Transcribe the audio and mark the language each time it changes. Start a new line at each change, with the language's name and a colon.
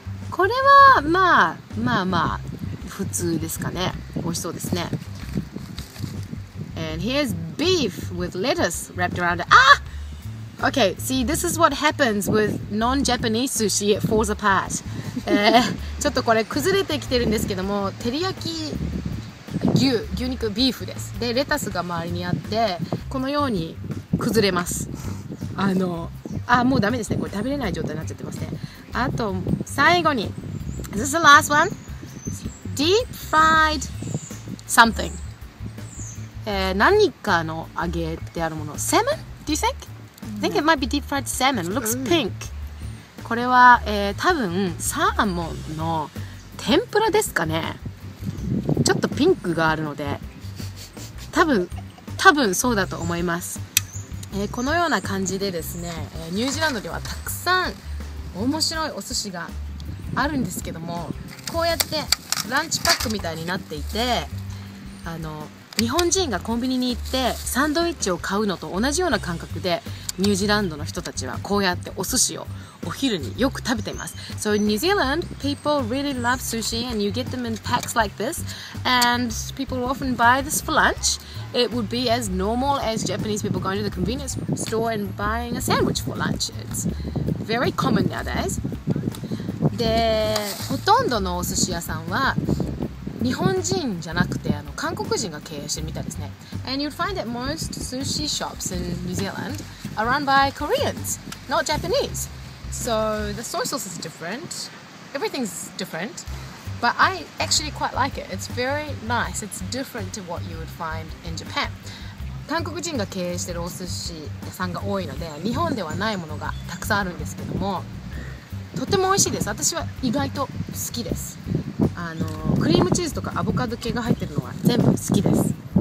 Japanese: これはまあまあまあ普通ですかね。美味しそうですね。
English: And here's beef with lettuce wrapped around it. Ah! Okay, see, this is what happens with non-Japanese sushi. It falls apart.
Japanese: ちょっとこれ崩れてきてるんですけども、照り焼き牛肉ビーフです。で、レタスが周りにあって、このように崩れます。あ、もうダメですね。これ食べれない状態になっちゃってますね。あと、最後に。
English: This is the last one. Deep fried something.
Japanese: 何かの揚げてあるもの。
English: Salmon? Do you think? I think it might be deep fried salmon. It looks pink.
Japanese: これは、多分、サーモンの天ぷらですかね。ちょっとピンクがあるので、多分そうだと思います。このような感じでですね、ニュージーランドではたくさん面白いお寿司があるんですけどもこうやってランチパックみたいになっていて日本人がコンビニに行ってサンドイッチを買うのと同じような感覚でニュージーランドの人たちはこうやってお寿司をお昼によく食べています。
English: So in New Zealand, people really love sushi and you get them in packs like this. And people often buy this for lunch. It would be as normal as Japanese people going to the convenience store and buying a sandwich for lunch. It's very common nowadays.
Japanese: で、ほとんどのお寿司屋さんは日本人じゃなくて、韓国人が経営してるみたいですね。
English: And you'd find that most sushi shops in New Zealand are run by Koreans, not Japanese. So the soy sauce is different. Everything's different. But I actually quite like it. It's very nice. It's different to what you would find in Japan.
Japanese: 韓国人が経営してるお寿司屋さんが多いので、日本ではないものがたくさんあるんですけども、とても美味しいです。私は意外と好きです。クリームチーズとかアボカド系が入ってるのは全部好きです。